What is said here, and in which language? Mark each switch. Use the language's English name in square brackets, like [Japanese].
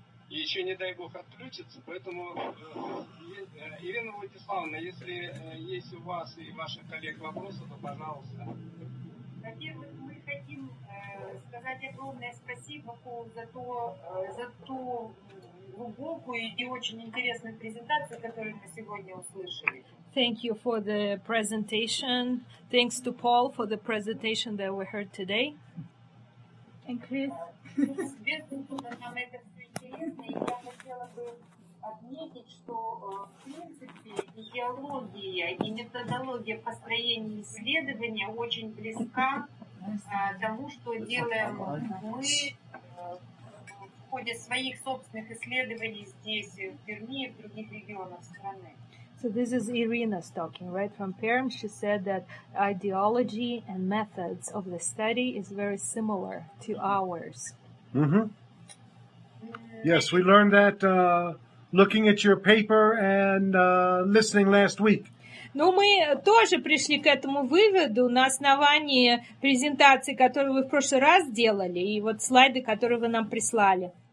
[Russian] И еще, не дай бог, отключится. Поэтому, Ирина Владиславовна, если есть у вас и ваших коллег вопросы, то пожалуйста. Во-первых, мы хотим сказать огромное спасибо за ту глубокую и очень интересную презентацию, которую мы сегодня услышали. [English] Thank you for the presentation. Thanks to Paul for the presentation that we heard today. And Chris. [Russian] Я хотела бы отметить, что в принципе идеология и методология построения исследования очень близка тому, что делаем мы в ходе своих собственных исследований здесь, в Перми и в других регионах страны. [English] So this is Irina's talking, right, from Perm. She said that ideology and methods of the study is very similar to ours. Mm-hmm. Yes, we learned that looking at your paper and listening last week. [Russian] Ну, мы тоже пришли к этому выводу на основании презентации, которую вы в прошлый раз делали, и вот слайды, которые вы нам прислали.